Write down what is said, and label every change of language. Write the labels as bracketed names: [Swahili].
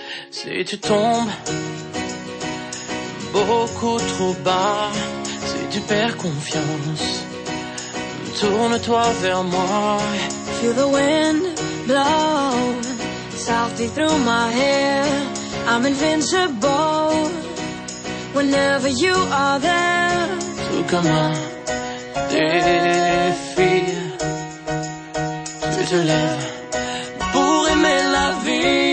[French] Si tu tombes beaucoup trop bas, si tu perds confiance, tourne-toi vers moi. [English] Feel the wind blow softly through my hair. I'm invincible whenever you are there. So come on, défie. [French] je lève pour aimer la vie.